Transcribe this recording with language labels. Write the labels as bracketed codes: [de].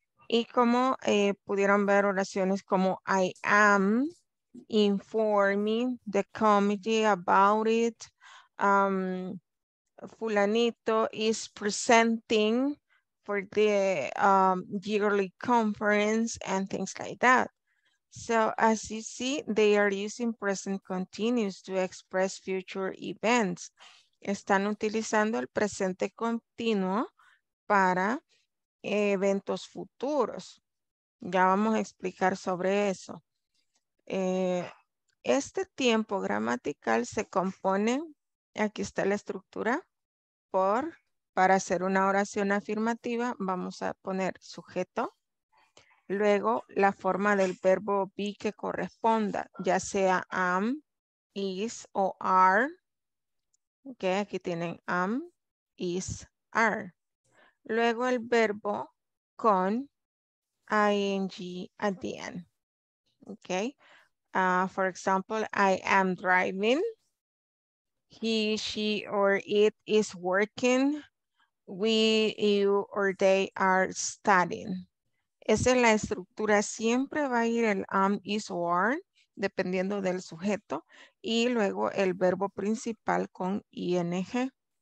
[es] Y como pudieron ver oraciones como [en] I am informing the committee about it, fulanito is presenting for the yearly conference and things like that. So as you see, they are using present continuous to express future events. [es] Están utilizando el presente continuo para eventos futuros. Ya vamos a explicar sobre eso. Este tiempo gramatical se compone, aquí está la estructura, por, para hacer una oración afirmativa, vamos a poner sujeto, luego la forma del verbo be que corresponda, ya sea am, is o are, okay, aquí tienen am, is, are. Luego el verbo con ing [en] at the end, [es] okay. [en] For example, I am driving, he, she, or it is working, we, you, or they are studying. [es] Esa es la estructura, siempre va a ir el am, is, or are, dependiendo del sujeto, y luego el verbo principal con ing.